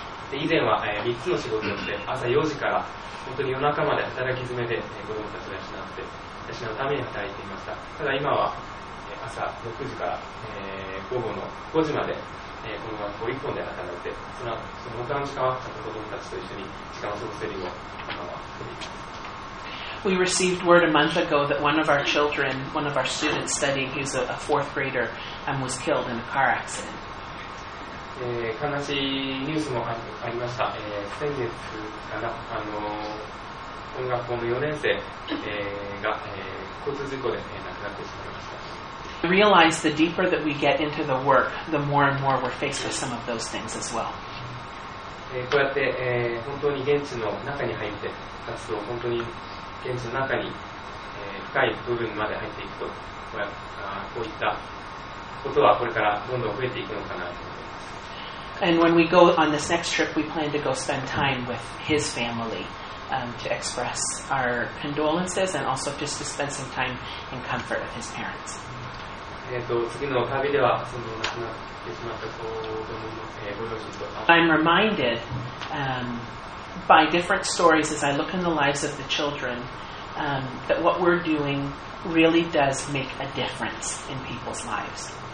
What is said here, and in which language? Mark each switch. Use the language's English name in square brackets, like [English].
[Japanese] で以前は、3つの仕事をして朝4時から本当に夜中まで働き詰めで、子供たちを養って私のために働いていました。ただ今は、朝6時から、午後の5時まで、この学校1本で働いて その他の時間は子供たちと一緒に時間を過ごせるよう今は。 [English] We received word a month ago that one of our children, one of our students studying, he's a fourth grader, and was killed in a car accident. [Japanese] 悲しいニュースもありました。先月かな、この学校の4年生、が、交通事故で、亡くなってしまいました。 [English] I realize the deeper that we get into the work, the more and more we're faced with some of those things as well. [Japanese] こうやって、本当に現地の中に入って活動を本当に現地の中に、深い部分まで入っていくと、こういったことはこれからどんどん増えていくのかなと思います。 [English] And when we go on this next trip, we plan to go spend time with his family, to express our condolences and also just to spend some time in comfort with his parents. [Japanese] 次の旅ではその亡くなってしまった子どもの、ご両親と。 [English] I'm reminded, by different stories as I look in the lives of the children, that what we're doing really does make a difference in people's lives.